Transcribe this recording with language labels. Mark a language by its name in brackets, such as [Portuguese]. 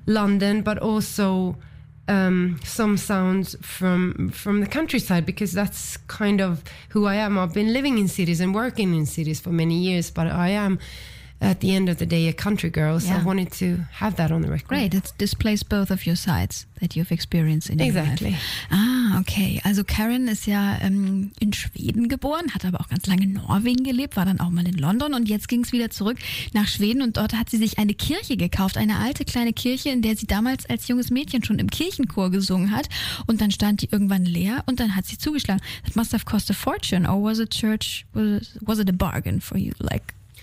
[English] London, but also some sounds from the countryside, because that's kind of who I am. I've been living in cities and working in cities for many years, but I am at the end of the day, a country girl. So yeah. I wanted to have that on the record. Great. It displays both of your sides that you've experienced in your exactly. life. Exactly. Ah, okay. [German] Also Karen ist ja in Schweden geboren, hat aber auch ganz lange in Norwegen gelebt, war dann auch mal in London und jetzt ging es wieder zurück nach Schweden und dort hat sie sich eine Kirche gekauft, eine alte kleine Kirche, in der sie damals als junges Mädchen schon im Kirchenchor gesungen hat und dann stand die irgendwann leer und dann hat sie zugeschlagen. [English] That must have cost a fortune or was a church, was it a bargain for you, like...